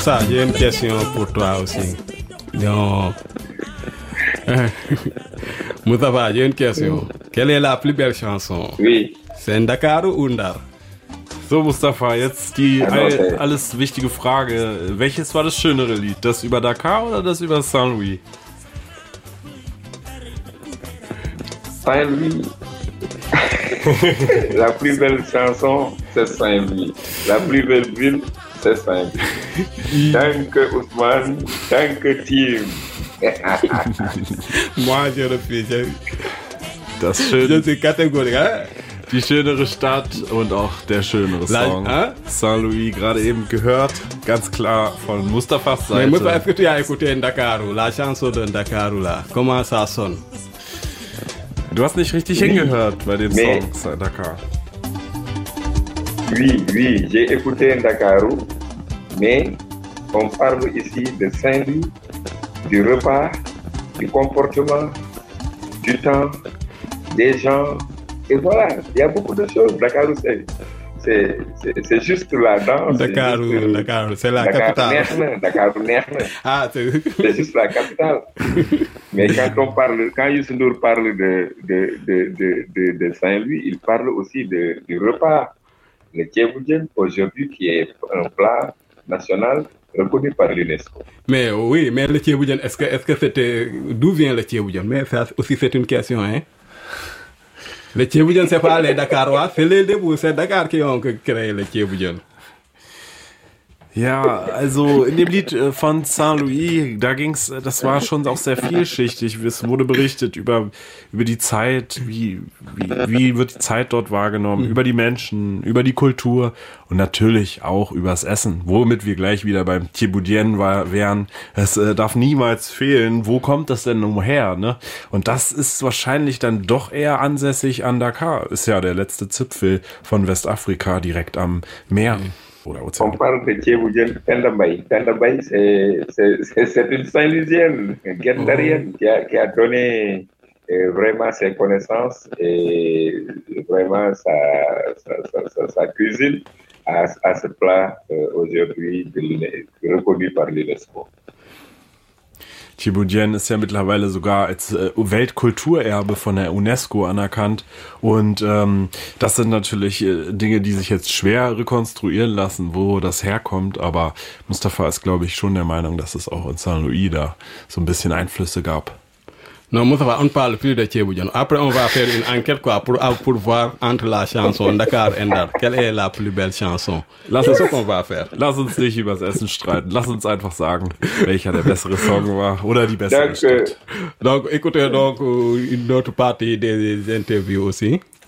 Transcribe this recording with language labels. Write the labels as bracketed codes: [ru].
[fr] J'ai une question pour toi aussi. Non. Moustapha, j'ai une question. Quelle est la plus belle chanson? Oui. C'est Dakar ou Undar? [de] So, Mustafa, jetzt die alles wichtige Frage. Welches war das schönere Lied? Das über Dakar oder das über Saint-Louis? [fr] Saint-Louis. La plus belle chanson, c'est Saint-Louis. La plus belle ville, c'est Saint-Louis. [de] Danke, Ousmane. Danke, team. [fr] Moi, je refuse. [de] Das schöne. [fr] Je suis catégorique, hein? [de] Die schönere Stadt und auch der schönere Song. Saint-Louis, gerade eben gehört, ganz klar von Mustafas Seite. [fr] Mustafa, est-ce que tu as écouté Dakar, la chanson de Dakar, là? Comment ça sonne? [de] Du hast nicht richtig hingehört bei dem Song Dakar. [fr] Oui, oui, j'ai écouté Dakar, mais on parle ici de Saint-Louis, du repas, du comportement, du temps, des gens. Et voilà, il y a beaucoup de choses. Dakar, c'est juste la danse. Dakar, c'est la capitale. Dakar, c'est juste la capitale. Mais quand on parle, quand Youssou Ndour parle de Saint-Louis, il parle aussi du repas. Le Tiéboudjen, aujourd'hui, qui est un plat national reconnu par l'UNESCO. Mais oui, mais le Tiéboudjen, est-ce que c'était. D'où vient le Tiéboudjen? Mais ça aussi, c'est une question, hein? Le Tiéboudjen, ce n'est pas les Dakarois, c'est les débuts, c'est Dakar qui ont créé le Tiéboudjen. [de] Ja, also in dem Lied von Saint-Louis, da ging's, das war schon auch sehr vielschichtig. Es wurde berichtet über die Zeit, wie wird die Zeit dort wahrgenommen, über die Menschen, über die Kultur und natürlich auch übers Essen, womit wir gleich wieder beim Tiéboudjen wären. Es darf niemals fehlen. Wo kommt das denn umher, ne? Und das ist wahrscheinlich dann doch eher ansässig an Dakar. Ist ja der letzte Zipfel von Westafrika direkt am Meer. [fr] On parle de Tiéboudjen Tendambay. Tendambay, c'est une Saint-Louisienne, une Guendarienne, qui a donné vraiment ses connaissances et vraiment sa cuisine à ce plat aujourd'hui reconnu par l'UNESCO. [de] Tiéboudjen ist ja mittlerweile sogar als Weltkulturerbe von der UNESCO anerkannt. Und das sind natürlich Dinge, die sich jetzt schwer rekonstruieren lassen, wo das herkommt. Aber Mustafa ist, glaube ich, schon der Meinung, dass es auch in Saint-Louis da so ein bisschen Einflüsse gab. [fr] Non, Mustafa, on parle plus de Tiéboudjen. Après, on va faire une enquête quoi, pour voir entre la chanson Dakar et Ndar. Quelle est la plus belle chanson? [de] Lass uns, [fr] on va faire. [de] Lass uns nicht übers Essen streiten. Lass uns einfach sagen, welcher der bessere Song war oder die bessere Danke. Stadt. [fr] Donc, écoutez donc une autre partie des interviews aussi.